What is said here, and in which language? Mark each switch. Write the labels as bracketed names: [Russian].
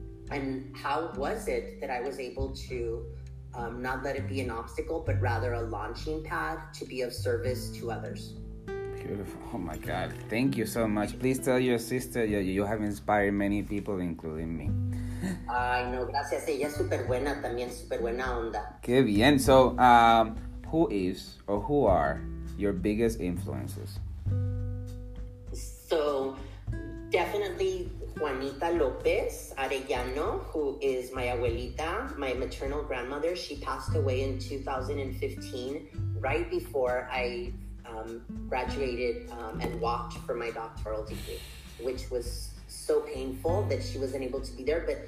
[English] And how was it that I was able to not let it be an obstacle, but rather a launching pad to be of service to others? Beautiful. Beautiful. Oh my God. Thank you so much. Please tell your sister that you have inspired many people, including me. [Spanish] Ay, no, gracias. Ella es súper buena también, súper buena onda. Qué bien. [English] So, who is or who are your biggest influences? So, definitely Juanita López Arellano, who is my abuelita, my maternal grandmother. She passed away in 2015, right before I graduated and walked for my doctoral degree, which was so painful that she wasn't able to be there.